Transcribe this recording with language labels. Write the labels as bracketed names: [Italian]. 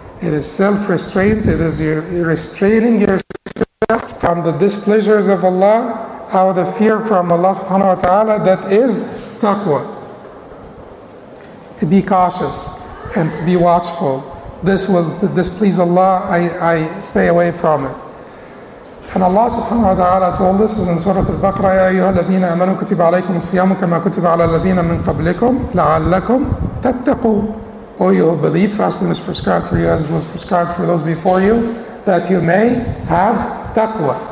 [English] It is self-restraint. It is you're restraining yourself from the displeasures of Allah. Out of fear from Allah subhanahu wa ta'ala. That is taqwa. To be cautious and to be watchful. This will displease Allah. I stay away from it. And Allah subhanahu wa ta'ala told us in Surah Al-Baqarah, [Arabic] يَا أَيُّهَا الَّذِينَ أَمَنُوا كُتِبَ عَلَيْكُمُ الصِّيَامُ كَمَا كُتِبَ عَلَى الَّذِينَ مِنْ قَبْلِكُمْ لَعَلَّكُمْ تَتَّقُوا. [English] O you who believe, fasting is prescribed for you as it was prescribed for those before you, that you may have taqwa.